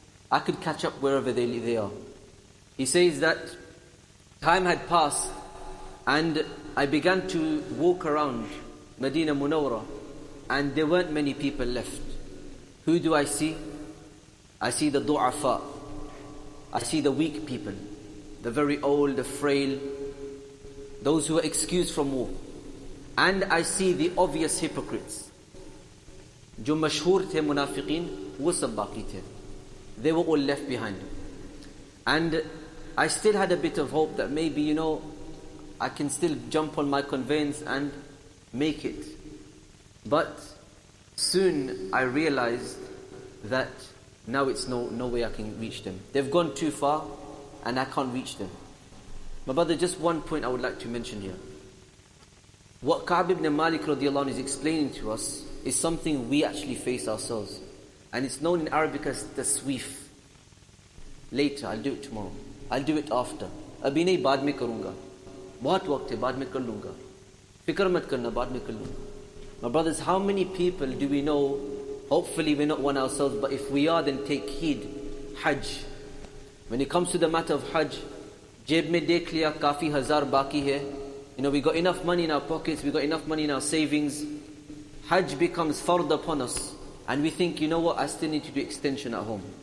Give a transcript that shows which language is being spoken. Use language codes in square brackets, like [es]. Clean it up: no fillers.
[en] I could catch up wherever they are. He says that time had passed, and I began to walk around Medina Munawwara, and there weren't many people left. Who do I see? I see the du'afa. I see the weak people, the very old, the frail, those who are excused from war. And I see the obvious hypocrites. [ur] جو مشهور تھے منافقین وہ سب باقی تھے. [en] They were all left behind. And I still had a bit of hope that maybe, you know, I can still jump on my conveyance and make it. But soon I realized that now it's no way I can reach them. They've gone too far and I can't reach them. My brother, just one point I would like to mention here. What Ka'b ibn Malik radiallahu anhu is explaining to us is something we actually face ourselves. And it's known in Arabic as taswif. Later, I'll do it tomorrow. I'll do it after. [ur] ابھی نہیں، بعد میں کروں گا۔ بہت وقت ہے، بعد میں کر لوں گا۔ فکر مت کرنا، بعد میں کر لوں گا۔ [en] My brothers, how many people do we know? Hopefully we're not one ourselves, but if we are, then take heed. Hajj. When it comes to the matter of Hajj, [ur] جیب میں دیکھ لیا، کافی ہزار باقی ہے۔ [en] You know, we got enough money in our pockets, we got enough money in our savings. Hajj becomes fard upon us. And we think, you know what, I still need to do extension at home.